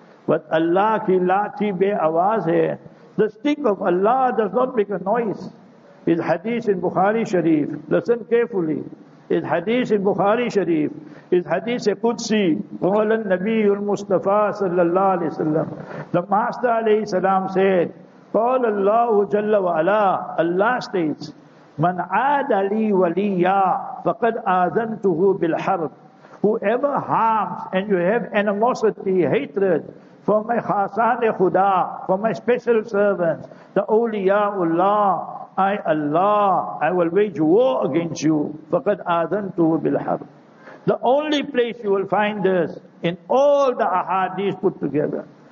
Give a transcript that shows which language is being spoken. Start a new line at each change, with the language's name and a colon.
English: But
Urdu: Allah ki lati be awaz hai.
English: The stick of Allah does not make a noise. His hadith in Bukhari Sharif, listen carefully. His hadith in Bukhari Sharif, his hadith a Qudsi,
Arabic: قَالَ النَّبِيُّ الْمُصْطَفَىٰ صَلَّى اللَّهُ عَلَيْهِ وَسَلَّمُ.
English: The Master alayhi salam said,
Arabic: قَالَ اللَّهُ جَلَّ وَعَلَىٰ.
English: Allah states,
Arabic: مَنْ عَادَ لِي وَلِيَّا فَقَدْ آذَنْتُهُ بِالْحَرْبِ.
English: Whoever harms, and you have animosity, hatred, for my khasane khuda, for my special servants, the awliyaullah, I Allah, I will wage war against you.
Arabic: فَقَدْ آذَنْتُهُ بِالْحَرْبِ.
English: The only place you will find this in all the ahadith put together.